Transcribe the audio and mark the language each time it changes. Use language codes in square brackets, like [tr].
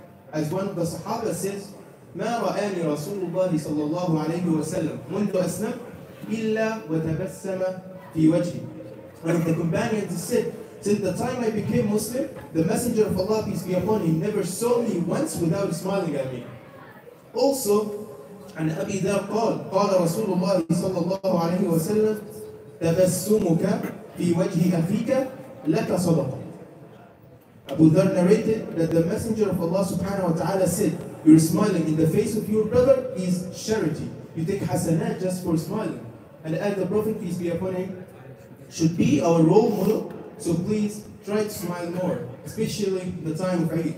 [en] As one of the Sahaba says, [ar] مَا رَآنِ رَسُولُ اللَّهِ صَلَّى اللَّهُ عَلَيْهِ وَسَلَّمْ مُنْدُ أَسْلَمْ إِلَّا وَتَبَسَّمَ فِي وَجْهِ. [en] One of the companions said, since the time I became Muslim, the Messenger of Allah, peace be upon him, never saw me once without smiling at me. Also, [ar] عن أبي ذر قال, قال رسول الله صلى الله عليه وسلم, تَبَسُّمُكَ فِي وَجْهِ أَخِيكَ لَكَ صَدَقًا. [en] Abu Dharr narrated that the Messenger of Allah subhanahu wa ta'ala said, your smiling in the face of your brother is charity. You take hasanat just for smiling. And as the Prophet, peace be upon him, should be our role model, so please try to smile more, especially in the time of Eid.